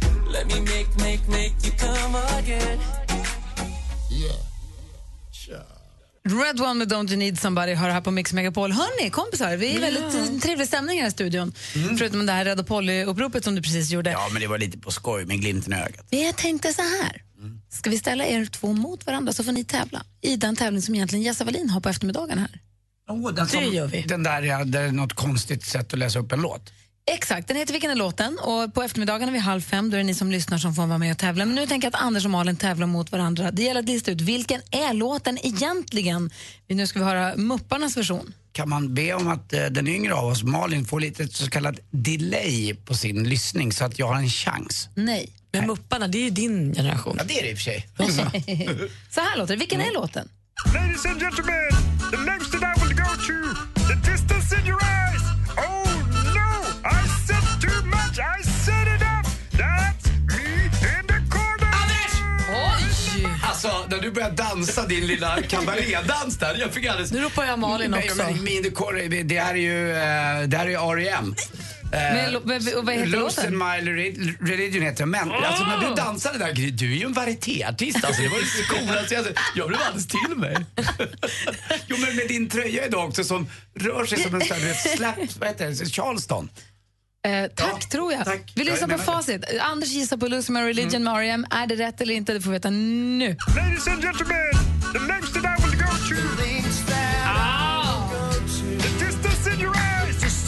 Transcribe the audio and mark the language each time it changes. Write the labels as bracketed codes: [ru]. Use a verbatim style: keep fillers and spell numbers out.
[en] Let me make, make, make you come again. Yeah. [sv] Red One med Don't You Need Somebody hör här på Mix Megapol. Hörrni, kompisar, vi är väldigt [en] yeah. [sv] trevlig stämning här i studion. Mm. Förutom det här Rädda Polly-uppropet som du precis gjorde. Ja, men det var lite på skoj med glimten i ögat. Jag tänkte så här. Ska vi ställa er två mot varandra så får ni tävla. I den tävling som egentligen Jessa Wallin har på eftermiddagen här. Oh, den som, det gör vi. Den där ja, det är något konstigt sätt att läsa upp en låt. Exakt, den heter Vilken är låten? Och på eftermiddagen vid halv fem, då är det ni som lyssnar som får vara med och tävla. Men nu tänker jag att Anders och Malin tävlar mot varandra. Det gäller att lista ut, vilken är låten egentligen? Nu ska vi höra Mupparnas version. Kan man be om att eh, den yngre av oss, Malin, får lite så kallat delay på sin lyssning så att jag har en chans? Nej. Men Nej. Mupparna, det är ju din generation. Ja, det är det i och för sig. Så här låter det, vilken mm. är låten? [en] Ladies and gentlemen, the names that I will go to, the distance in your eyes. Oh! I said too much, I said it up. That's me in the corner. [sv] Anders! Oj! Alltså, när du började dansa din lilla kabarédans där, jag fick alldeles... Nu ropar jag Malin också. Nej, men, [en] in the corner, [sv] det här är ju, det här är ju R E M Men, eh, och vad heter låten? Religion, religion heter jag. Men alltså, när du dansade där, Gry, du är ju en varietéartist. Alltså, det var ju skolan. Alltså, jag blev alldeles till mig. Jo, men med din tröja idag också som rör sig som en sån här slapp, vad heter det, Charleston. Eh, tack, ja, tror jag. Tack. Vi lyssnar på facit. Det. Anders gissar på Lose My Religion med mm. R E M. Är det rätt eller inte? Det får vi veta nu. [en] Ladies and gentlemen, the next that I will go to. Ah. The distance in your eyes.